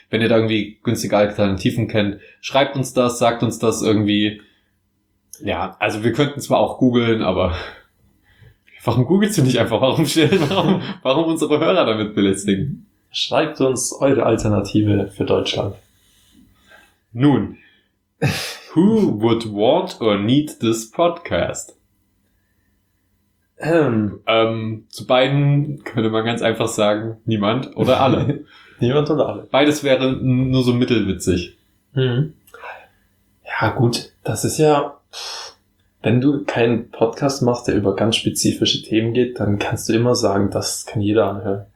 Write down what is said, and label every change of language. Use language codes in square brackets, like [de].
[de] Wenn ihr da irgendwie günstige Alternativen kennt, schreibt uns das, sagt uns das irgendwie. Ja, also wir könnten zwar auch googeln, aber warum googelst du nicht einfach? Warum unsere Hörer damit belästigen? Schreibt uns eure Alternative für Deutschland. [en] Nun, who would want or need this podcast? [de] Zu beiden könnte man ganz einfach sagen, niemand oder alle. Niemand oder alle. Beides wäre nur so mittelwitzig. Hm. Ja gut, das ist ja, wenn du keinen Podcast machst, der über ganz spezifische Themen geht, dann kannst du immer sagen, das kann jeder anhören.